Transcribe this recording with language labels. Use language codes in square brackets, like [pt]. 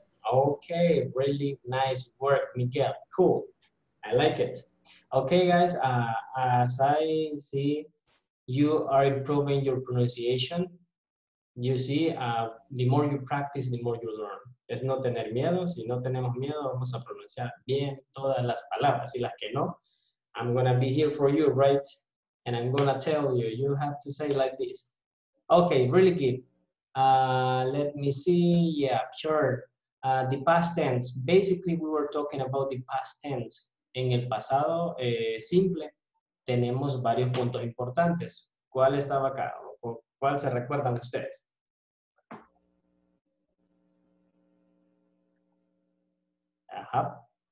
[en] Okay, really nice work, Miguel. Cool. I like it. Okay, guys, as I see, you are improving your pronunciation. You see, the more you practice, the more you learn. [es] Es no tener miedo. Si no tenemos miedo, vamos a pronunciar bien todas las palabras y las que no. [en] I'm going to be here for you, right? And I'm going to tell you, you have to say like this. Okay, really good. Let me see. Yeah, sure. The past tense. Basically, we were talking about the past tense. [es] En el pasado simple, tenemos varios puntos importantes. ¿Cuál estaba acá? ¿Cuál se recuerdan ustedes? Ajá.